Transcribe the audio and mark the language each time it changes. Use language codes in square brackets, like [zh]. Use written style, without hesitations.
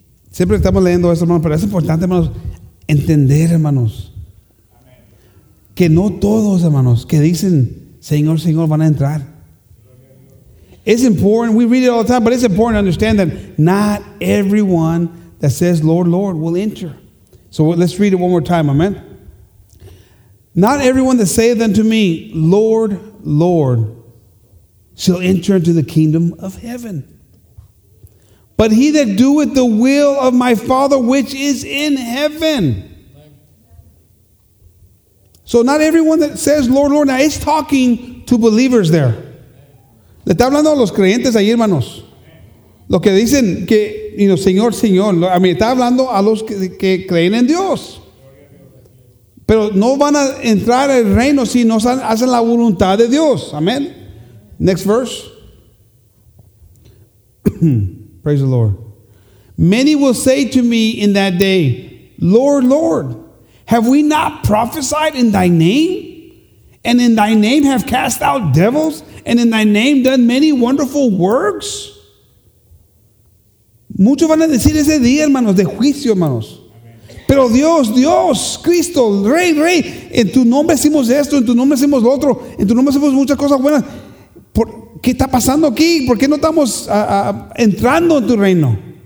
[es] Siempre estamos leyendo esto, hermanos, pero es importante, hermanos, entender, hermanos, que no todos, hermanos, que dicen Señor, Señor, van a entrar. [en] It's important. We read it all the time, but it's important to understand that not everyone that says Lord, Lord will enter. So let's read it one more time. Amen. Not everyone that saith unto me, Lord, Lord, shall enter into the kingdom of heaven. But he that doeth the will of my Father which is in heaven. So not everyone that says, Lord, Lord, now it's talking to believers there. [es] Le está hablando a los creyentes ahí, hermanos. Lo que dicen que, [en] you know, [es] Señor, Señor. A mí está hablando a los que creen en Dios. Pero no van a entrar al reino si no hacen la voluntad de Dios. [en] Amén. Next verse. Praise the Lord. Many will say to me in that day, Lord, Lord, have we not prophesied in thy name? And in thy name have cast out devils? And in thy name done many wonderful works? [es] Muchos van a decir ese día, hermanos, de juicio, hermanos. Pero Dios, Dios, Cristo, Rey, Rey, en tu nombre hicimos esto, en tu nombre hicimos lo otro, en tu nombre hicimos muchas cosas buenas. ¿Qué está pasando aquí? ¿Por qué no estamos entrando en tu reino?